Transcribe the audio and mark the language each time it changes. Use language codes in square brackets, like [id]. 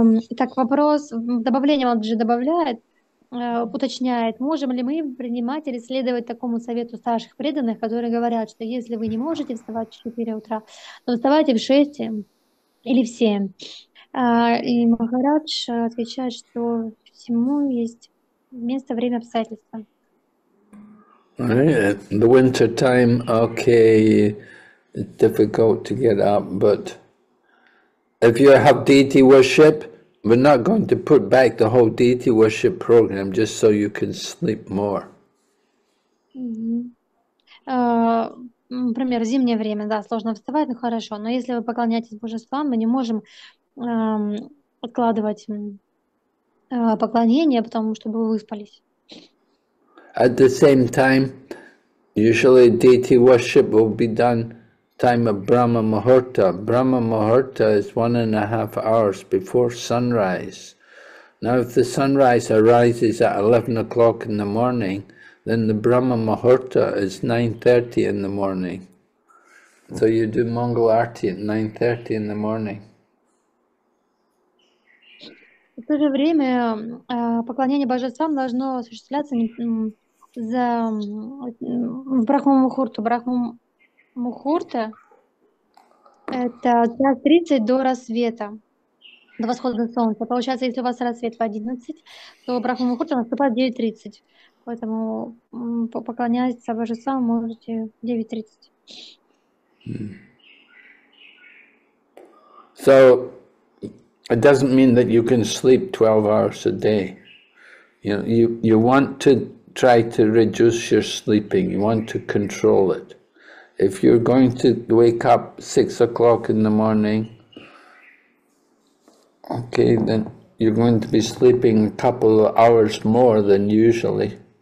[ru] Итак, вопрос, добавление, он же добавляет, уточняет, можем ли мы принимать или следовать такому совету старших преданных, которые говорят, что если вы не можете вставать в 4 утра, то вставайте в 6 или в 7. И Махарадж отвечает, что всему есть место, время, обстоятельства. [en] The winter time, okay, it's difficult to get up, but if you have deity worship, we're not going to put back the whole deity worship program just so you can sleep more. [ru] Например, зимнее время, да, сложно вставать, ну хорошо, но если вы поклоняетесь божествам, мы не можем откладывать поклонение, потому что вы выспались. [en] At the same time, usually deity worship will be done time of Brahma Muhurta. Brahma Muhurta is 1.5 hours before sunrise. Now, if the sunrise arises at 11 o'clock in the morning, then the Brahma Muhurta is 9:30 in the morning. So you do Mangal Arati at 9:30 in the morning. [ru] В то же время поклонение божествам должно осуществляться за Брахма-мухурту. Брахма-мухурта – это с 1:30 до рассвета, до восхода солнца. Получается, если у вас рассвет в 11, то Брахма-мухурта наступает в 9:30. Поэтому поклоняться божествам можете в 9:30. [en] So, it doesn't mean that you can sleep 12 hours a day. You know, you want to try to reduce your sleeping, you want to control it. If you're going to wake up 6 o'clock in the morning, okay, then you're going to be sleeping a couple of hours more than usually.